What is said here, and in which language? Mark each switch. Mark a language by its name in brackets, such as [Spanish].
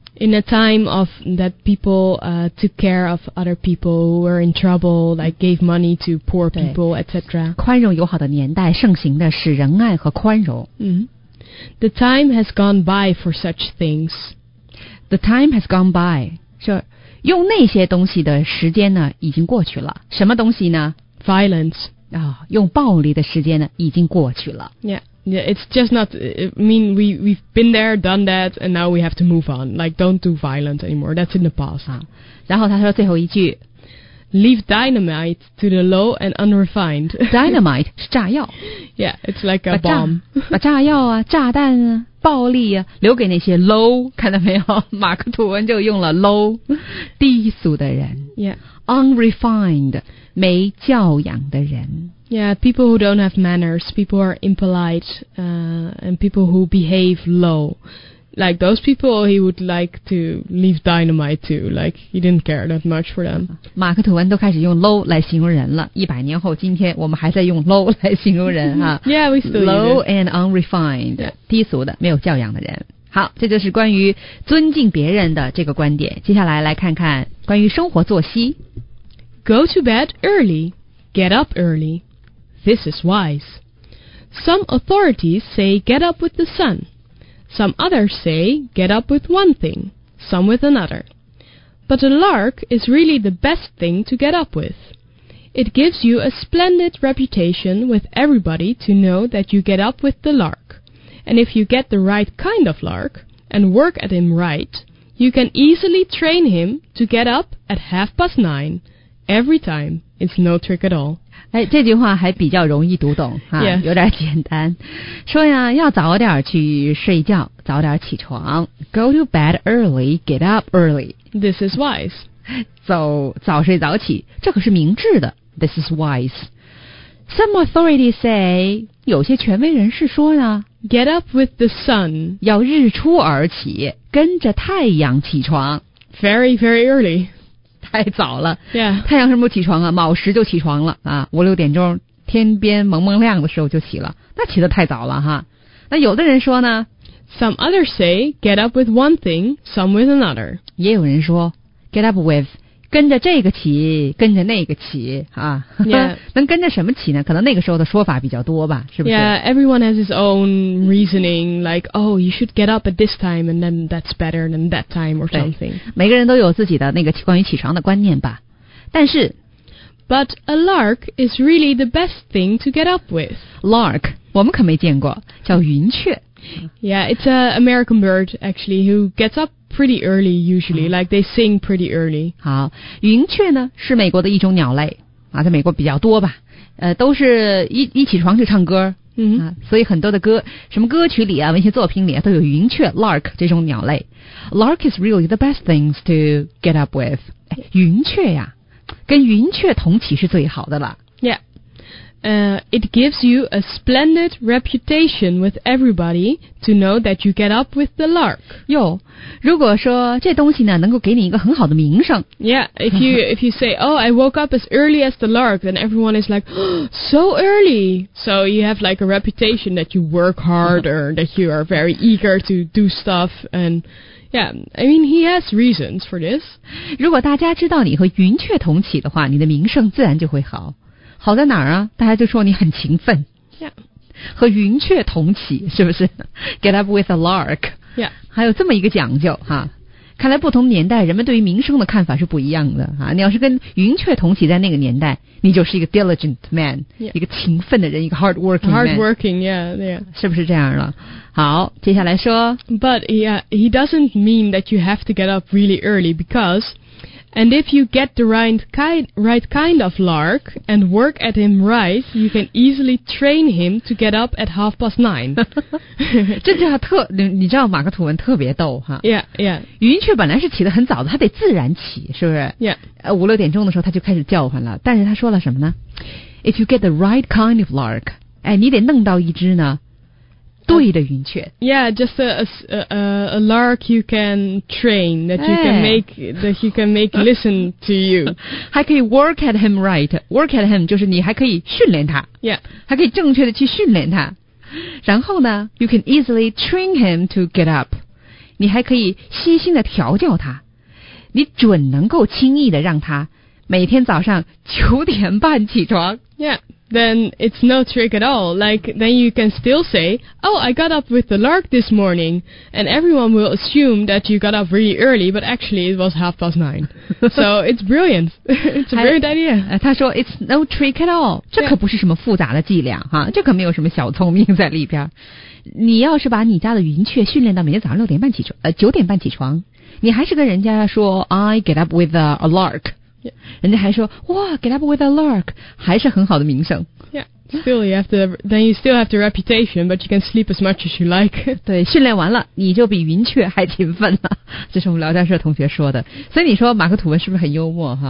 [English] in a time of that people took care of other people who were in trouble like gave money to poor people etc [Chinese] 宽容友好的年代盛行的是仁爱和宽容、 [English] The time has gone by for such things The time has gone by [Chinese] 是用那些东西的时间呢已经过去了什么东西呢 [English] violence [Chinese] 用暴力的时间呢已经过去了 [English] Yeah, it's just not I mean we've been there, done that And now we have to move on Like don't do violence anymore That's in the past [Chinese] 然后他说最后一句 [English] Leave dynamite to the low and unrefined [Chinese] Dynamite 是炸药 [English] Yeah, it's like a bomb [Chinese] 把炸药啊炸弹啊暴力啊留给那些 low 看到没有马克吐温就用了 low 低俗的人 [English] Yeah [Chinese] Unrefined没教养的人 [English] Yeah, people who don't have manners People who are impolite And people who behave low Like those people he would like to leave dynamite to Like he didn't care that much for them [Chinese] 马克吐温都开始用 low 来形容人了一百年后今天我们还在用 low 来形容人哈 [English] Yeah, we still Low and unrefined、 yeah. [Chinese] 低俗的没有教养的人好这就是关于尊敬别人的这个观点接下来来看看关于生活作息 [English] Go to bed early. Get up early. This is wise. Some authorities say get up with the sun. Some others say get up with one thing, some with another. But a lark is really the best thing to get up with. It gives you a splendid reputation with everybody to know that you get up with the lark. And if you get the right kind of lark and work at him right, you can easily train him to get up at 9:30. Every time, it's no trick at all. [Chinese] 哎，这句话还比较容易读懂哈、 [English] yes. [Chinese] 有点简单。说呀，要早点去睡觉，早点起床。 [English] Go to bed early, get up early. This is wise. [Chinese] 早睡早起，这可是明智的。 [English] This is wise. Some authorities say, [Chinese] 有些权威人士说呢。 [English] Get up with the sun. [Chinese] 要日出而起，跟着太阳起床。 [English] Very, very early. [Chinese] 太早了、 [English] yeah. [Chinese] 太阳什么时候起床啊卯时就起床了啊五六点钟天边蒙蒙亮的时候就起了那起得太早了哈那有的人说呢 [English] Some others say get up with one thing, some with another [Chinese] 也有人说 [English] get up with [Chinese] 跟着这个起跟着那个起啊、 [English] yeah. [Chinese] 能跟着什么起呢可能那个时候的说法比较多吧是不是 [English] Yeah, everyone has his own reasoning like, oh, you should get up at this time and then that's better than that time or something [Chinese] 每个人都有自己的那个关于起床的观念吧但是 [English] But a lark is really the best thing to get up with [Chinese] Lark, 我们可没见过叫云雀 [English] Yeah, it's an American bird actually who gets upPretty early, usually, like they sing pretty early. [Chinese] 好，云雀呢是美国的一种鸟类啊，在美国比较多吧，都是一起床就唱歌，所以很多的歌，什么歌曲里啊，文学作品里啊，都有云雀 lark 这种鸟类。 [English] Lark is really the best things to get up with. [Chinese] 云雀呀，跟云雀同起是最好的了。 [English] Yeah. It gives you a splendid reputation with everybody to know that you get up with the lark. [Chinese] 哟，如果说这东西呢能够给你一个很好的名声。 [English] Yeah, if you say, oh, I woke up as early as the lark, then everyone is like, oh, so early. So you have like a reputation that you work harder, that you are very eager to do stuff. And yeah, I mean, he has reasons for this. [Chinese] 如果大家知道你和云雀同起的话，你的名声自然就会好。好在哪儿啊？大家就说你很勤奋。 [English] Yeah. [Chinese] 和云雀同起，是不是 ？ [English] Get up with a lark。 Yeah. [Chinese] 还有这么一个讲究哈。看来不同年代人们对于名声的看法是不一样的啊！你要是跟云雀同起在那个年代，你就是一个 [English] diligent man、 yeah. [Chinese] 一个勤奋的人，一个 [English] hard working yeah, yeah. [Chinese] 是不是这样了？好，接下来说 [English] But he doesn't mean that you have to get up really early because and if you get the right kind of lark and work at him right you can easily train him to get up at 9:30 [Chinese] 这句话特 你知道马克吐温特别逗哈 [English] yeah, yeah. [Chinese] 云雀本来是起得很早的，他得自然起，是不是 [English] yeah. [Chinese] 5-6点钟的时候他就开始叫唤了，但是他说了什么呢？ [English] If you get the right kind of lark、 [Chinese] 哎、你得弄到一只呢对的云雀 [English] Yeah, just a lark you can train that you can make,、哎、that you can make listen to you [Chinese] 还可以 [English] work at him right Work at him [Chinese] 就是你还可以训练他 [English] Yeah [Chinese] 还可以正确的去训练他然后呢 [English] You can easily train him to get up [Chinese] 你还可以细心的调教他你准能够轻易的让他每天早上9:30起床 [English] Yeah Then it's no trick at all. Like, then you can still say, Oh, I got up with the lark this morning. And everyone will assume that you got up really early, but actually it was 9:30. So it's brilliant. It's a brilliant idea. [Chinese] 他说 [English] it's no trick at all. [Chinese] 这可不是什么复杂的伎俩哈，这可没有什么小聪明在里边。你要是把你家的云雀训练到每天早上6:30起床，9:30起床，你还是跟人家说 [English] I get up with a lark. Yeah. [Chinese] 人家还说哇 [English] get up with a lark [Chinese] 还是很好的名声 [English] yeah still you have to then you still have the reputation but you can sleep as much as you like [Chinese] 对训练完了你就比云雀还勤奋了这是我们聊天室同学说的所以你说马克吐温是不是很幽默哈